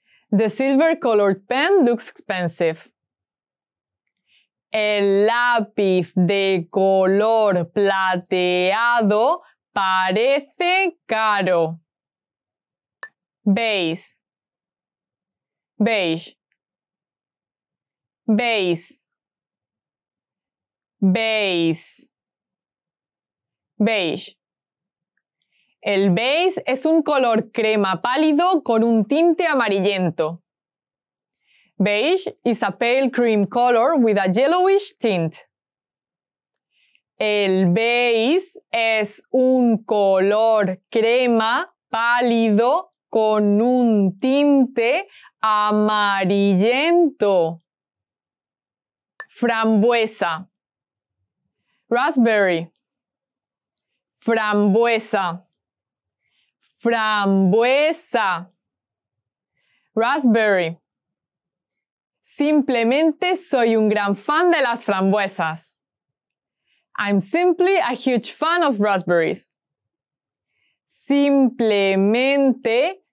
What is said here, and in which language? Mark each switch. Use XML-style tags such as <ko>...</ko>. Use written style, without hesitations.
<en>The silver colored pen looks expensive.</en> <es>El lápiz de color plateado parece caro. Beige. Beige. Beige. Beige. Beige. El beige es un color crema pálido con un tinte amarillento.</es> <en>Beige is a pale cream color with a yellowish tint.</en> <es>El beige es un color crema pálido con un tinte amarillento. Frambuesa. Raspberry. Frambuesa. Frambuesa. Raspberry. Simplemente soy un gran fan de las frambuesas.</es> <en>I'm simply a huge fan of raspberries. Simplemente</en>